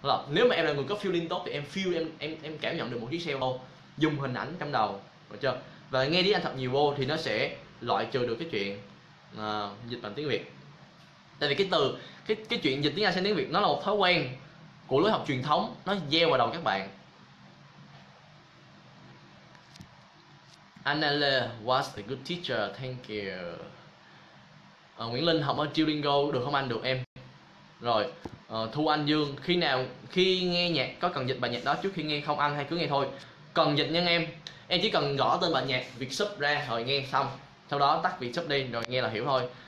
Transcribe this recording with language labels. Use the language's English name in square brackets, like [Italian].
[Vietnamese] Nếu mà em là người có feeling tốt thì em feel, em cảm nhận được một chiếc xe vô, dùng hình ảnh trong đầu được chưa? Và nghe tiếng Anh thật nhiều vô thì nó sẽ loại trừ được cái chuyện dịch bằng tiếng Việt. Tại vì cái chuyện dịch tiếng Anh sang tiếng Việt nó là một thói quen của lối học truyền thống, nó gieo vào đầu các bạn. [English] Annele was a good teacher, thank you. [Vietnamese] Nguyễn Linh học ở Duolingo được không anh? Được em. Rồi Thu Anh Dương, khi nghe nhạc có cần dịch bài nhạc đó trước khi nghe không anh, hay cứ nghe thôi? Cần dịch nha em. Em chỉ cần gõ tên bài nhạc Việt sub ra rồi nghe xong, sau đó tắt Việt sub đi rồi nghe là hiểu thôi.